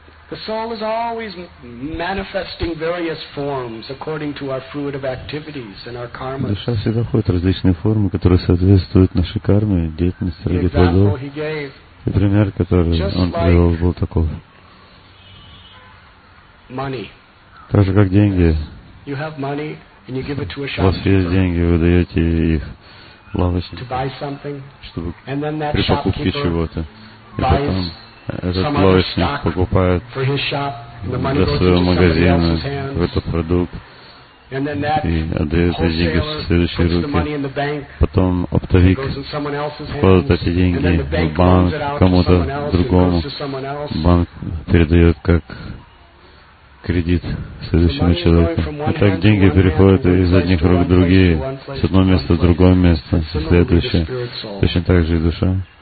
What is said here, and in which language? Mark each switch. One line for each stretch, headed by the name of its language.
English: The soul is always manifesting various forms according to our fruit of activities and our karma.
Russian: Душа всегда ходит в различные формы, которые соответствуют нашей карме, деятельности, ради плодов. И пример, который он привел, был таков.
English: Money.
Russian: Так же, как деньги.
English: You have money and you give it to a shopkeeper.
Russian: У вас есть деньги, вы даете их
English: to buy something,
Russian: чтобы
English: and then that shopkeeper
Russian: чего-то.
English: Buys some other stock for his shop, and the money goes into somebody else's hands, and then that wholesaler puts the money in the bank,
Russian: потом оптовик вкладывает эти деньги в банк кому-то другому, банк передает как кредит следующему человеку. И так деньги переходят из одних рук в другие, с одного места в другое место, в следующее. Точно так же и душа.